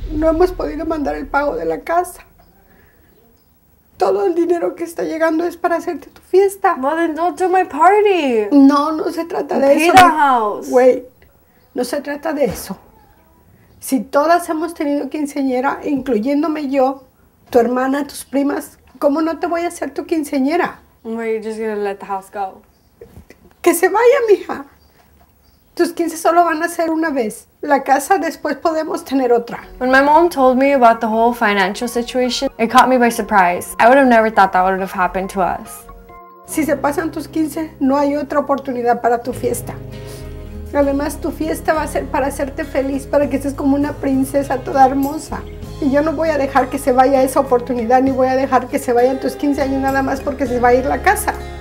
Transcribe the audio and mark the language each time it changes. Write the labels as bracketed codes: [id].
[es] No hemos podido mandar el pago de la casa. Todo el dinero que está llegando es para hacerte tu fiesta. [en] Well, then don't do my party. [es] No, no se trata de eso. [en] Pay the house. Wait, [es] no se trata de eso. Si todas hemos tenido quinceañera, incluyéndome yo, tu hermana, tus primas, ¿cómo no te voy a hacer tu quinceañera? [en] Well, you're just gonna let the house go. [es] Que se vaya, mija. Tus 15 solo van a ser una vez. La casa después podemos tener otra. [en] When my mom told me about the whole financial situation, it caught me by surprise. I would have never thought that would have happened to us. [es] Si se pasan tus 15, no hay otra oportunidad para tu fiesta. Además, tu fiesta va a ser para hacerte feliz, para que estés como una princesa toda hermosa. Y yo no voy a dejar que se vaya esa oportunidad, ni voy a dejar que se vayan tus 15 años nada más porque se va a ir la casa.